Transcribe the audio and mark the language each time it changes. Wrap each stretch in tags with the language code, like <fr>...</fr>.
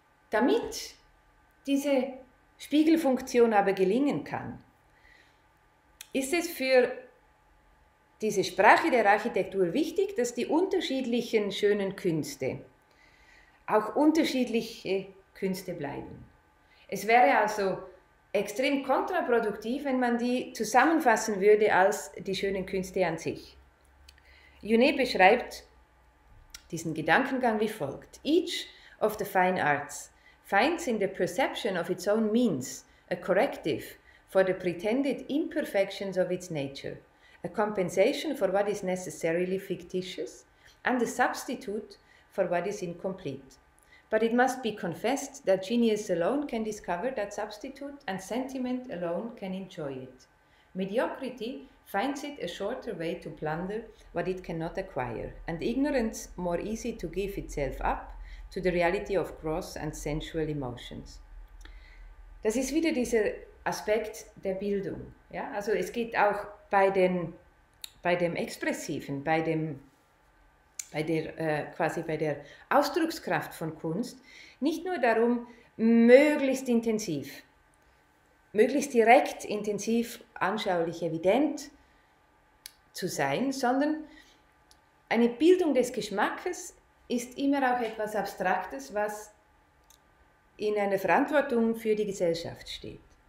<de>Damit diese Spiegelfunktion aber gelingen kann, ist es für diese Sprache der Architektur wichtig, dass die unterschiedlichen schönen Künste auch unterschiedliche Künste bleiben. Es wäre also extrem kontraproduktiv, wenn man die zusammenfassen würde als die schönen Künste an sich. Junet beschreibt diesen Gedankengang wie folgt:</de> <en>Each of the fine arts finds in the perception of its own means a corrective for the pretended imperfections of its nature, a compensation for what is necessarily fictitious and a substitute for what is incomplete. But it must be confessed that genius alone can discover that substitute and sentiment alone can enjoy it. Mediocrity finds it a shorter way to plunder what it cannot acquire, and ignorance more easy to give itself up to the reality of gross and sensual emotions.</en> <de>Das ist wieder dieser Aspekt der Bildung. Ja? Also es geht auch bei dem Expressiven, bei der Ausdruckskraft von Kunst, nicht nur darum, möglichst direkt, intensiv, anschaulich, evident zu sein, sondern eine Bildung des Geschmacks ist immer auch etwas Abstraktes, was in einer Verantwortung für die Gesellschaft steht.</de>